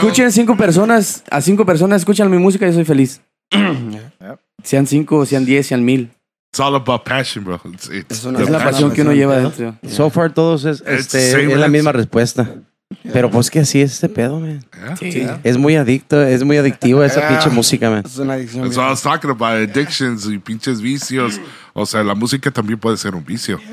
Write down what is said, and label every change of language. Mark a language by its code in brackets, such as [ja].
[es] Escuchen cinco personas, a cinco personas escuchan mi música, yo soy feliz. Sean cinco, sean diez, sean mil. [en] It's all about passion, bro. It's [es] es la pasión que uno lleva dentro. Yeah. So far, todos es, este, es la misma respuesta. Yeah. Pero pues que así es este pedo, man. Yeah. Sí. Yeah. Es muy adicto, es muy adictivo esa pinche música, man. Es una adicción. [en] That's what I was talking about, addictions [es] y pinches vicios. O sea, la música también puede ser un vicio.